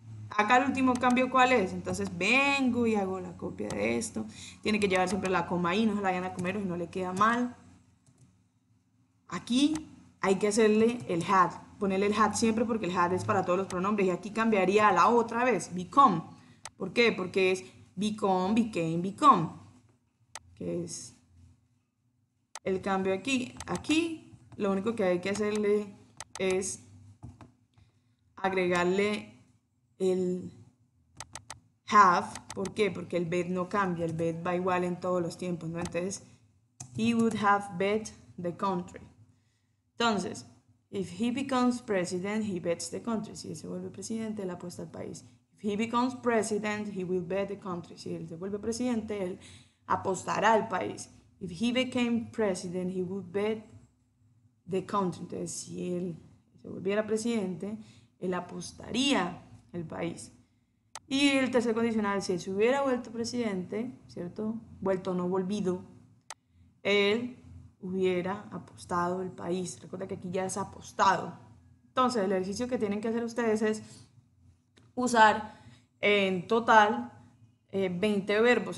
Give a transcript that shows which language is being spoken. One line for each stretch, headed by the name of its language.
Spanish: Acá el último cambio, ¿cuál es? Entonces vengo y hago la copia de esto. Tiene que llevar siempre la coma ahí, no se la vayan a comer y no le queda mal. Aquí hay que hacerle el had. Ponerle el had siempre porque el had es para todos los pronombres. Y aquí cambiaría a la otra vez, become. ¿Por qué? Porque es
English: become, became, become.
Spanish: Que es el cambio aquí. Aquí lo único que hay que hacerle es agregarle el have. ¿Por qué? Porque el bet no cambia. El bet va igual en todos los tiempos, ¿no?
English: Entonces, he would have bet the country. Entonces, if he becomes president, he bets the country.
Spanish: Si él se vuelve presidente, él apuesta al país.
English: If he becomes president, he will bet the country.
Spanish: Si él se vuelve presidente, él apostará al país.
English: If he became president, he would bet the country.
Spanish: Entonces, si él se volviera presidente, él apostaría el país. Y el tercer condicional, si él se hubiera vuelto presidente, ¿cierto? Vuelto, no volvido, él hubiera apostado el país. Recuerda que aquí ya es apostado. Entonces, el ejercicio que tienen que hacer ustedes es usar en total 20 verbos.